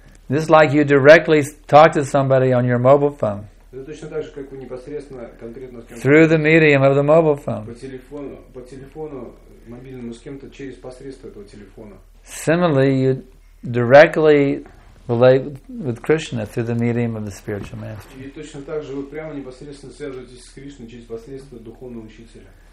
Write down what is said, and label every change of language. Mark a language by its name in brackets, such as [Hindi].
[English] Just like you directly talk to somebody on your mobile phone. [Russian] Это точно так же, как вы непосредственно конкретно с кем-то. [English] Through the medium of the mobile phone. [Russian] По телефону мобильному с кем-то через посредство этого телефона. [English] Similarly, you directly relate with Krishna through the medium of the spiritual master. [Russian] И точно так же вы прямо непосредственно связываетесь с Кришной через посредство духовного учителя.